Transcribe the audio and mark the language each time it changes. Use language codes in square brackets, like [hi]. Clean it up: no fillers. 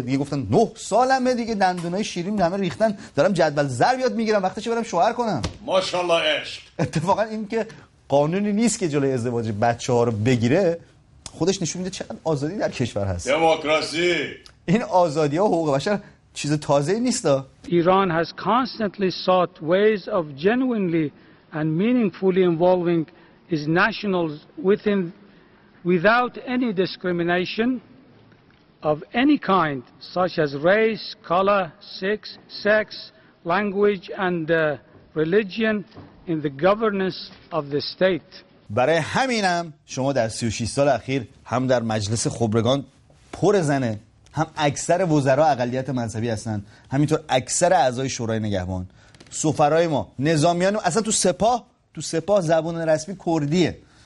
[fa] دیگه گفتن 9 سالمه دیگه، دندونای شیرین همه ریختن، دارم جدول ضرب یاد میگیرم، وقتشه برم شوهر کنم. ماشاءالله عشق. اتفاقا این که قانونی نیست که جلوی ازدواج بچه‌ها رو بگیره، خودش نشون میده چقدر آزادی در کشور هست. دموکراسی. این آزادی‌ها و حقوق بشر چیز تازه‌ای نیستا. [en] ایران has constantly sought ways of genuinely and meaningfully involving its nationals within without any discrimination of any kind, such as race, color, sex, language and religion in the governance of the state. [fa] برای همینم شما در 36 سال اخیر هم در مجلس خبرگان پر زنه، هم اکثر وزرا اقلیت مذهبی هستن، همینطور اکثر اعضای شورای نگهبان، سفرای ما، نظامیان، اصلا تو سپاه زبان رسمی کردیه.